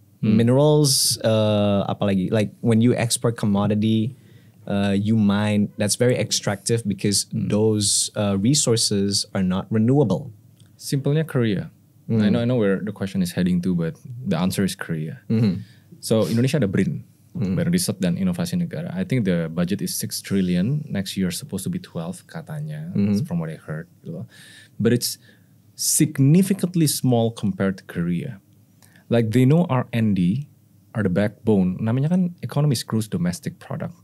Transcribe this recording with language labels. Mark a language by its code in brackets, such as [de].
[en] Minerals, [id] apalagi, [en] like when you export commodity, you mine, that's very extractive because those resources are not renewable. [id] Simplenya Korea. [en] I know where the question is heading to, but the answer is Korea. [id] So Indonesia ada BRIN, Badan Riset dan Inovasi Negara. [en] I think the budget is 6 trillion, next year supposed to be 12 [id] katanya, [en] from what I heard. But it's significantly small compared to Korea. Like they know R&D are the backbone. [id] Namanya kan [en] economy screws domestic product.